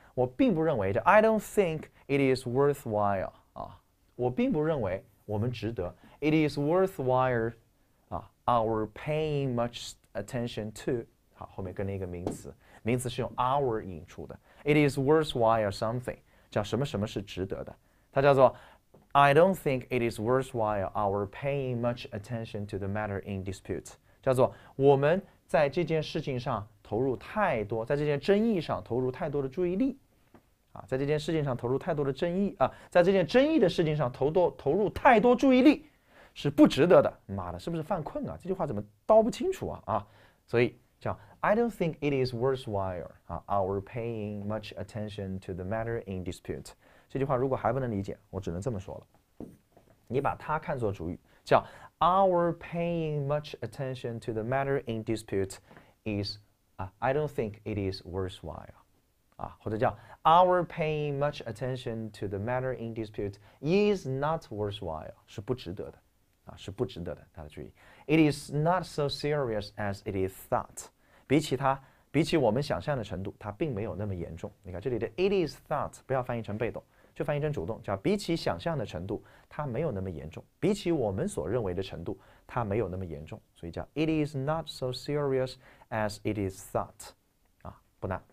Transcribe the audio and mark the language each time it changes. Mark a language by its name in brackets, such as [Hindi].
[Chinese] 我并不认为这 [English] I don't think it is worthwhile [Chinese] 啊，我并不认为我们值得 [English] it is worthwhile [Chinese] 啊 [English] our paying much attention to [Chinese] 好，后面跟了一个名词，名词是用 our 引出的。 [English] It is worthwhile something [Chinese] 叫什么什么是值得的，它叫做。 [English] I don't think it is worthwhile our paying much attention to the matter in dispute. [Chinese] 叫做我们在这件事情上投入太多，在这件争议上投入太多的注意力，啊，在这件事情上投入太多的争议啊，在这件争议的事情上投入太多注意力是不值得的。妈的，是不是犯困啊？这句话怎么叨不清楚啊？所以叫 [English] I don't think it is worthwhile our paying much attention to the matter in dispute. [Chinese] 这句话如果还不能理解，我只能这么说了。你把它看作主语，叫 [English] Our paying much attention to the matter in dispute is I don't think it is worthwhile [Chinese] 啊，或者叫 [English] Our paying much attention to the matter in dispute is not worthwhile [Chinese] 是不值得的啊，是不值得的。大家注意 [English] ，It is not so serious as it is thought。 [Chinese] 比起我们想象的程度，它并没有那么严重。你看这里的 [English] It is thought [Chinese] 不要翻译成被动。就翻译成主动，叫比起想象的程度，它没有那么严重；比起我们所认为的程度，它没有那么严重。 [English] 所以叫 "It is not so serious as it is thought"， [Chinese] 啊，不难。